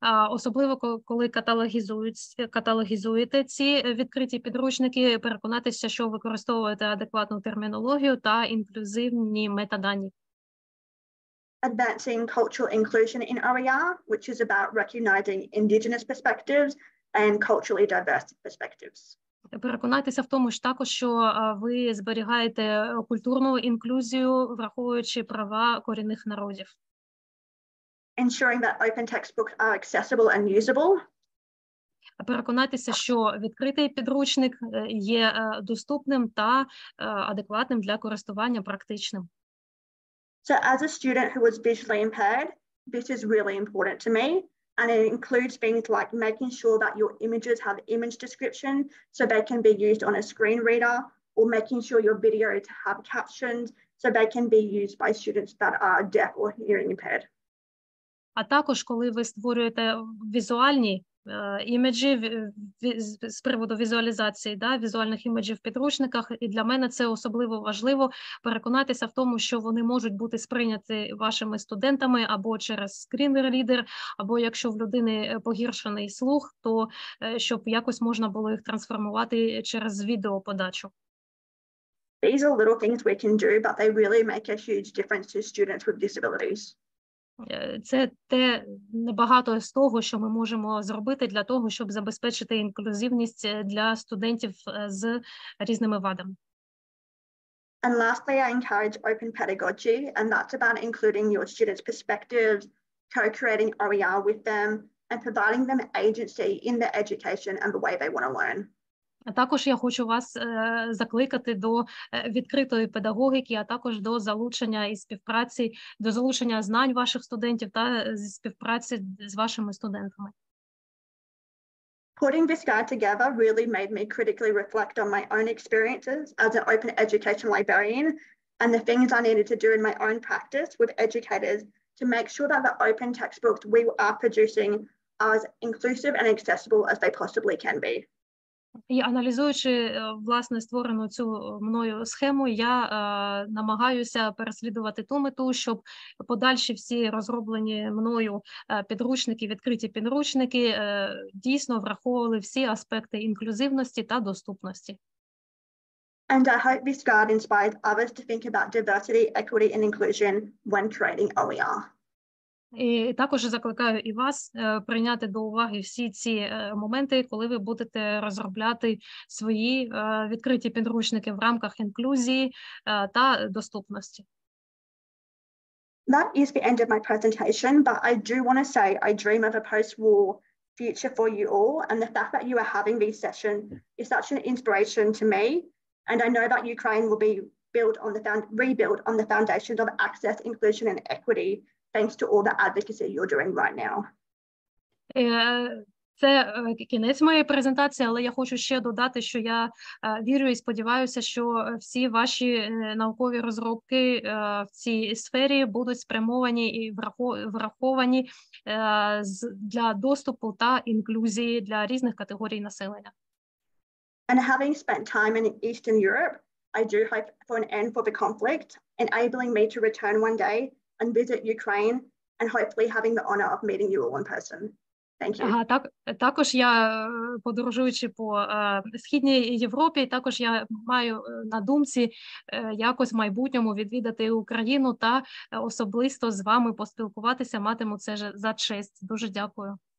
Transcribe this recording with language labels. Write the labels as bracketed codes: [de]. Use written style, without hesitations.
[uk] Особливо, коли каталогізуєте ці відкриті підручники, переконатися, що використовуєте адекватну термінологію та інклюзивні метадані. [en] Advancing cultural inclusion in OER, which is about recognizing indigenous perspectives and culturally diverse perspectives. [uk] переконатися в тому ж також, що ви зберігаєте культурну інклюзію, враховуючи права корінних народів. [en] Ensuring that open textbooks are accessible and usable. [uk] Переконатися, що відкритий підручник є доступним та адекватним для користування практичним. [en] So as a student who was visually impaired, this is really important to me. And it includes things like making sure that your images have image description so they can be used on a screen reader, or making sure your videos have captions so they can be used by students that are deaf or hearing impaired. [uk] А також, коли ви створюєте візуальні іміджі з приводу візуалізації, да, візуальних іміджів в підручниках, і для мене це особливо важливо переконатися в тому, що вони можуть бути сприйняті вашими студентами або через скрінрідер, або якщо в людини погіршений слух, то щоб якось можна було їх трансформувати через відеоподачу. [en] These are little things we can do, but they really make a huge difference to students with disabilities. [uk] Це те небагато з того, що ми можемо зробити для того, щоб забезпечити інклюзивність для студентів з різними вадами. [en] And lastly, I encourage open pedagogy, and that's about including your students' perspectives, co-creating OER with them, and providing them agency in their education and the way they want to learn. [uk] А також я хочу вас закликати до відкритої педагогіки, а також до залучення і співпраці, до залучення знань ваших студентів та зі співпраці з вашими студентами. [en] Putting this guide together really made me critically reflect on my own experiences as an open education librarian and the things I needed to do in my own practice with educators to make sure that the open textbooks we are producing are as inclusive and accessible as they possibly can be. [uk] І аналізуючи, власне, створену цю мною схему, я намагаюся переслідувати ту мету, щоб подальші всі розроблені мною підручники, відкриті підручники, дійсно враховували всі аспекти інклюзивності та доступності. [en] And I hope this guide inspires others to think about diversity, equity and inclusion when creating OER. [uk] І також закликаю і вас прийняти до уваги всі ці моменти, коли ви будете розробляти свої відкриті підручники в рамках інклюзії та доступності. [en] That is the end of my presentation, but I do want to say I dream of a post-war future for you all, and the fact that you are having this session is such an inspiration to me, and I know that Ukraine will be rebuilt on the foundations of access, inclusion and equity. Thanks to all the advocacy you're doing right now. [uk] Це кінець моєї презентації, але я хочу ще додати, що я вірю і сподіваюся, що всі ваші наукові розробки в цій сфері будуть спрямовані і враховані для доступу та інклюзії для різних категорій населення. [en] And having spent time in Eastern Europe, I do hope for an end for the conflict, enabling me to return one day and visit Ukraine, and hopefully having the honor of meeting you all in person. Thank you. [uk] Також я, подорожуючи по Східній Європі, також я маю на думці якось в майбутньому відвідати Україну та особисто з вами поспілкуватися, матиму це ж за честь. Дуже дякую.